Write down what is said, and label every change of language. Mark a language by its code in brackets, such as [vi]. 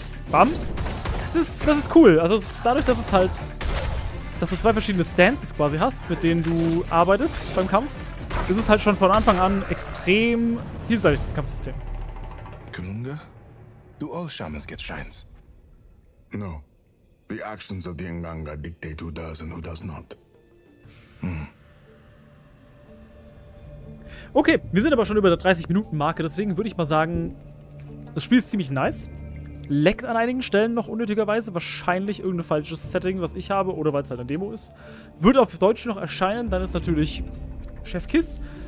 [de] Bam! Das ist cool. Also das ist dadurch, dass es halt, dass du zwei verschiedene Stances quasi hast, mit denen du arbeitest beim Kampf, ist es halt schon von Anfang an extrem vielseitig, das Kampfsystem. [en] Kalunga, do all shamans get shrines? No. The actions of the Nganga dictate who does and who does not. [de] Okay, wir sind aber schon über der 30-Minuten-Marke, deswegen würde ich mal sagen, das Spiel ist ziemlich nice. Leckt an einigen Stellen noch unnötigerweise. Wahrscheinlich irgendein falsches Setting, was ich habe, oder weil es halt eine Demo ist. Wird auf Deutsch noch erscheinen, dann ist natürlich Chef Kiss.